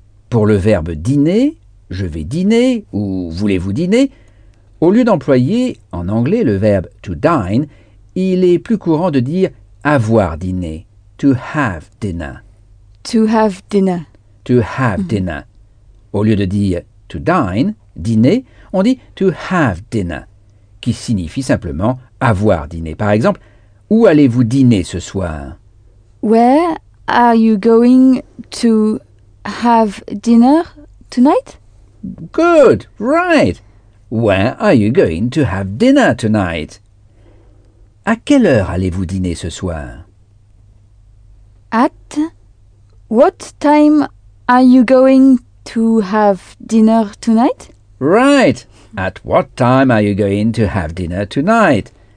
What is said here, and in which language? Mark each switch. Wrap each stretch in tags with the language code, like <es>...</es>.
<fr>Pour le verbe dîner, je vais dîner ou voulez-vous dîner, au lieu d'employer en anglais le verbe to dine, il est plus courant de dire avoir dîné, to have dinner.</fr> <en>To have dinner. To have dinner.</en> <fr>Au lieu de dire to dine, dîner, on dit to have dinner, qui signifie simplement avoir dîné. Par exemple, où allez-vous dîner ce soir?</fr> <en>Where are you going to have dinner tonight? Good, right. Where are you going to have dinner tonight?</en> <fr>À quelle heure allez-vous dîner ce soir?</fr> <en>At what time are you going to have dinner tonight? Right. At what time are you going to have dinner tonight?</en>